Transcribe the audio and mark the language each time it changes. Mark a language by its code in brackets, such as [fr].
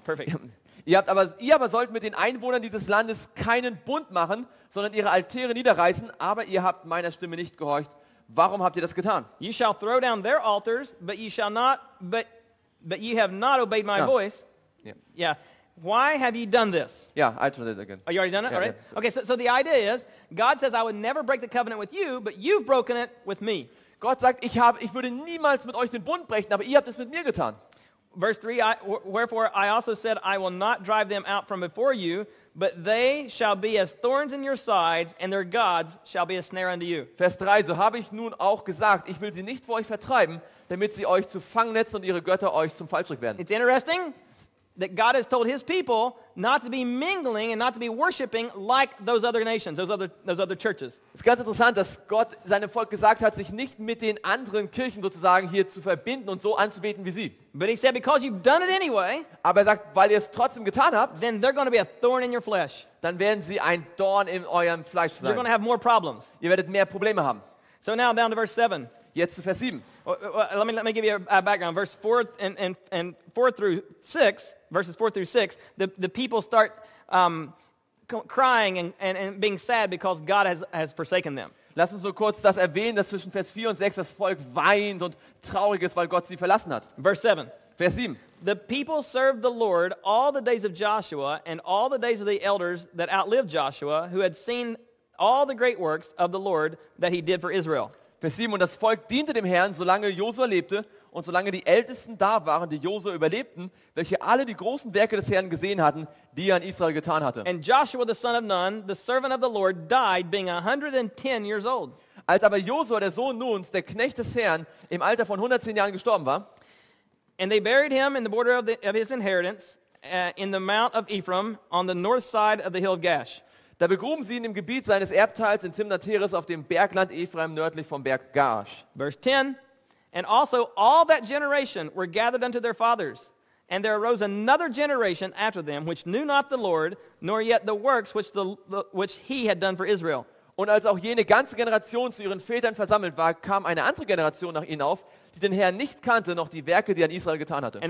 [en] Oh, perfect. [de] Ihr aber sollt mit den Einwohnern dieses Landes keinen Bund machen, sondern ihre Altäre niederreißen, aber ihr habt meiner Stimme nicht gehorcht. Warum habt ihr das getan? [en] You shall throw down their altars, but you shall not, but you have not obeyed my voice. Yeah. Yeah. Why have you done this? Yeah, I tried it again. Oh, you already done it? Yeah, all right. Yeah. Okay, so the idea is, God says, I would never break the covenant with you, but you've broken it with me. [de] Gott sagt, ich würde niemals mit euch den Bund brechen, aber ihr habt es mit mir getan. [en] Verse 3, wherefore I also said, I will not drive them out from before you, but they shall be as thorns in your sides, and their gods shall be a snare unto you. [de] Vers 3, so habe ich nun auch gesagt, ich will sie nicht vor euch vertreiben, damit sie euch zu Fangnetzen und ihre Götter euch zum Fallstrick werden. [en] It's interesting. that God has told his people not to be mingling and not to be worshiping like those other nations, those other churches. [de] Es ist ganz interessant, dass Gott seinem Volk gesagt hat, sich nicht mit den anderen Kirchen sozusagen hier zu verbinden und so anzubeten wie sie. [en] But he said, because you've done it anyway, [de] aber er sagt, weil ihr es trotzdem getan habt, [en] then they're going to be a thorn in your flesh. [de] Dann werden sie ein Dorn in eurem Fleisch sein. [en] You're going to have more problems. [de] Ihr werdet mehr Probleme haben. [en] So now down to verse 7. [de] Jetzt zu Vers 7. [en] Let me give you a background. Verse 4 and 4 through 6, verses 4 through 6, the people start crying and being sad because God has forsaken them. [de] Lass uns so kurz das erwähnen, dass zwischen Vers 4 und 6 das Volk weint und traurig ist, weil Gott sie verlassen hat. [en] Verse 7. [de] Vers 7. [en] The people served the Lord all the days of Joshua and all the days of the elders that outlived Joshua, who had seen all the great works of the Lord that he did for Israel. [de] Vers 7, und das Volk diente dem Herrn, solange Josua lebte und solange die Ältesten da waren, die Josua überlebten, welche alle die großen Werke des Herrn gesehen hatten, die er an Israel getan hatte. [en] And Joshua the son of Nun, the servant of the Lord, died being 110 years old. [de] Als aber Josua, der Sohn Nuns, der Knecht des Herrn, im Alter von 110 Jahren gestorben war, [en] and they buried him in the border of his inheritance, in the mount of Ephraim, on the north side of the hill of Gash. [de] Da begruben sie ihn im Gebiet seines Erbteils in Timnath-Heres auf dem Bergland Ephraim nördlich vom Berg Gash. [en] Verse 10, and also all that generation were gathered unto their fathers, and there arose another generation after them which knew not the Lord, nor yet the works which he had done for Israel. [de] Und als auch jene ganze Generation zu ihren Vätern versammelt war, kam eine andere Generation nach ihnen auf, die den Herrn nicht kannte, noch die Werke, die er an Israel getan hatte.